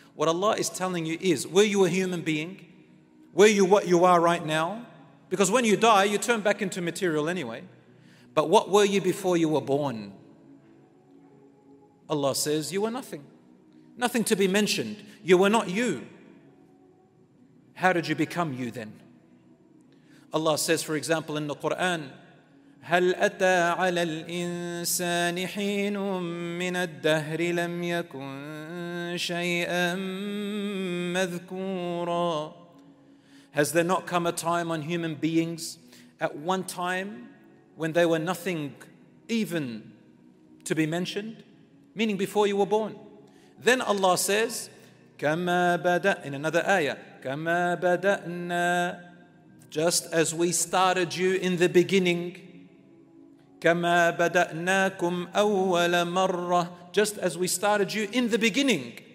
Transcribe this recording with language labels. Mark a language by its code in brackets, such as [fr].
[en] What Allah is telling you is, were you a human being? Were you what you are right now? Because when you die, you turn back into material anyway. But what were you before you were born? Allah says, you were nothing. Nothing to be mentioned. You were not you. How did you become you then? [ar] Allah says, for example, in the Quran, هَلْ أَتَى عَلَى الْإِنسَانِ حِينٌ مِّنَ الدَّهْرِ لَمْ يَكُنْ شَيْئًا مَذْكُورًا. [en] Has there not come a time on human beings at one time when they were nothing even to be mentioned? Meaning before you were born. Then Allah says, كَمَا بَدَأْ in another ayah, كَمَا بَدَأْنَا just as we started you in the beginning, كَمَا بَدَأْنَاكُمْ أَوَّلَ مَرَّةٍ just as we started you in the beginning.